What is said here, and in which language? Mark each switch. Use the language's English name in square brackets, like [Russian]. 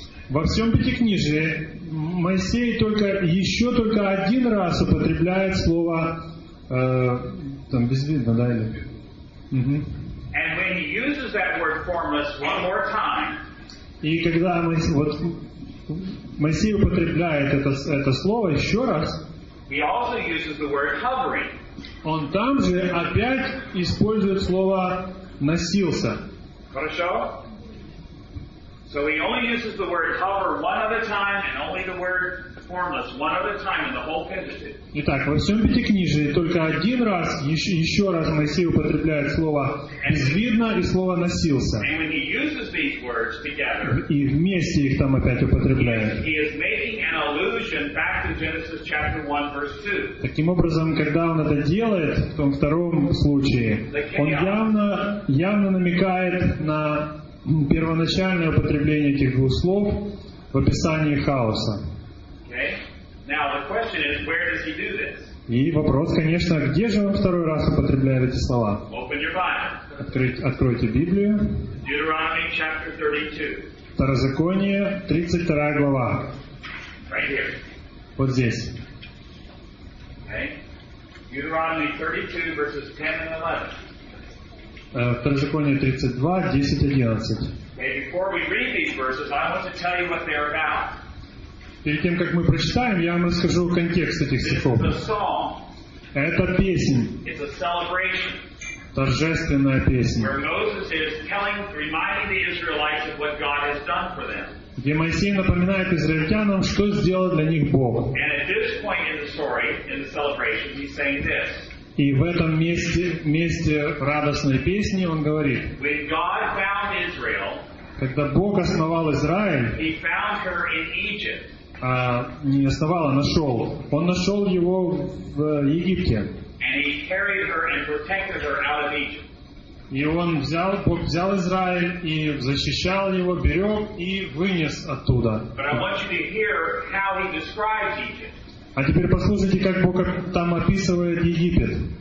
[Russian] Во всем Пятикнижии Моисей только один раз употребляет слово там безвидно, да, или? [English] And when he uses that word formless one more time, [Russian] и когда Моисей употребляет это слово еще раз, [English] he also uses the word hovering. [Russian] Он там же опять использует слово носился. Хорошо? [English] So he only uses the word hover one other time and only the word formless one other time in the whole Pentateuch. [Russian] Итак, во всем Пятикнижии только один раз, еще раз Моисей употребляет слово «безвидно» и слово «носился». [English] And when he uses these words together, [Russian] и вместе их там опять употребляет. [English] He is making an allusion back to Genesis chapter 1 verse 2. [Russian] Таким образом, когда он это делает в том втором случае, он явно намекает на первоначальное употребление этих двух слов в описании хаоса. [English] Okay. Now, the question is, where does he do this? [Russian] И вопрос, конечно, где же он второй раз употребляет эти слова? [English] Open your Bible. [Russian] Откройте Библию. [English] Deuteronomy chapter 32. [Russian] Второзаконие, 32 глава. [English] Right here. [Russian] Вот здесь. [English] Okay. Deuteronomy 32, verses 10 and 11. [Russian] Второзаконие 32, 10, 11. [English] Okay, before we read these verses, I want to tell you what they are about. [Russian] Перед тем, как мы прочитаем, я вам расскажу контекст этих стихов. [English] This is a song. [Russian] Это песнь. [English] It's a celebration. [Russian] Торжественная песня. [English] Where Moses is telling, reminding the Israelites of what God has done for them. [Russian] Где Моисей напоминает израильтянам, что сделал для них Бог. [English] And at this point in the story, in the celebration, he's saying this. [Russian] И в этом месте радостной песни он говорит, [English] Israel, [Russian] когда Бог основал Израиль, [English] he found her in Egypt. [Russian] Не основал, а нашел. Он нашел его в Египте. [English] And he carried her and protected her out of Egypt. [Russian] И он взял, Бог взял Израиль и защищал его, берег и вынес оттуда. [English] But I want you to hear how he describes Egypt. [Russian] А теперь послушайте, как Бог там описывает Египет.